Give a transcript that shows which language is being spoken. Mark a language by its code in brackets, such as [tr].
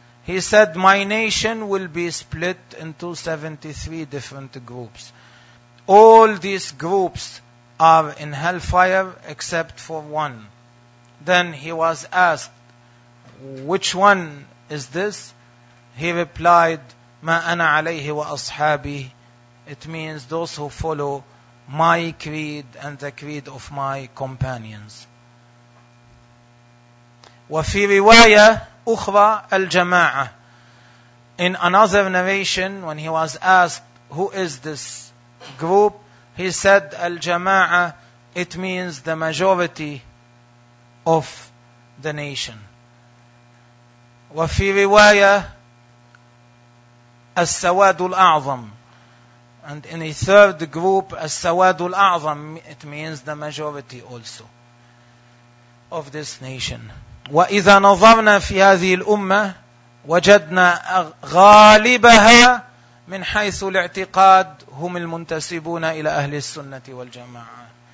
[en] He said, my nation will be split into 73 different groups. All these groups are in hellfire except for one. Then he was asked, which one is this? He replied, [ar] ما أنا عليه وأصحابي. [en] It means those who follow my creed and the creed of my companions. [ar] وفي رواية أخرى الجماعة. [en] In another narration, when he was asked, who is this group? He said, Al-Jama'a, it means the majority of the nation. [ar] وفي رواية السواد الأعظم. [en] And in a third group, [ar] السواد الأعظم, [en] it means the majority also of this nation. [ar] وإذا نظرنا في هذه الأمة وجدنا غالبها من حيث الاعتقاد هم المنتسبون إلى أهل السنة والجماعة.